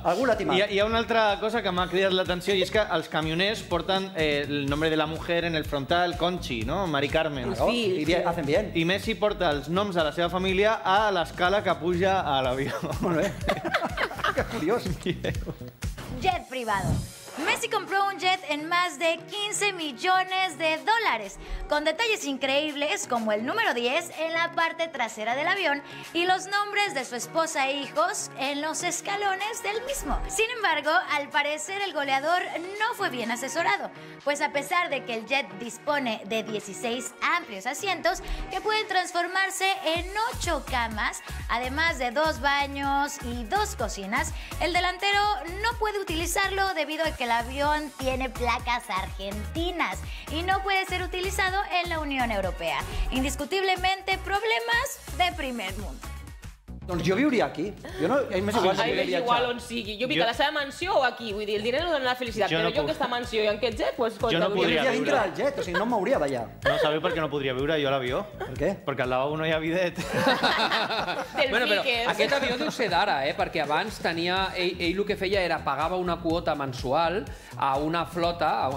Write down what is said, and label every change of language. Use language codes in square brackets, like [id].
[ca] Algú l'ha timat. Hi ha una altra cosa que m'ha cridat l'atenció i és que els camioners porten [es] el nombre de la mujer en el frontal, [ca] Conchi, no? Mari Carmen. [es] Sí, hacen bien. [ca] I Messi porta els noms de la seva família a l'escala que puja a l'avió. Molt bé. Que curiós. [es] Jet privado. Messi compró un jet en más de 15 millones de dólares, con detalles increíbles como el número 10 en la parte trasera del avión y los nombres de su esposa e hijos en los escalones del mismo. Sin embargo, al parecer el goleador no fue bien asesorado, pues a pesar de que el jet dispone de 16 amplios asientos que pueden transformarse en 8 camas, además de 2 baños y 2 cocinas, el delantero no puede utilizarlo debido a que el avión tiene placas argentinas y no puede ser utilizado en la Unión Europea. Indiscutiblemente, problemas de primer mundo. [ca] Doncs jo viuria aquí. Jo no, a mi m'és igual, igual on sigui. Jo vinc a la seva mansió o aquí. Vull dir, el diner no dona la felicitat. Però jo aquesta mansió i aquest jet... Pues, jo no podria viure. Jo vindria dintre del jet, o sigui, no em mouria d'allà. No, sabeu per què no podria viure jo a l'avió? Per què? Perquè al lavabo no hi ha bidet. Bueno, però aquest avió deu ser d'ara, eh? Perquè abans tenia... Ell el que feia era pagava una quota mensual a una flota...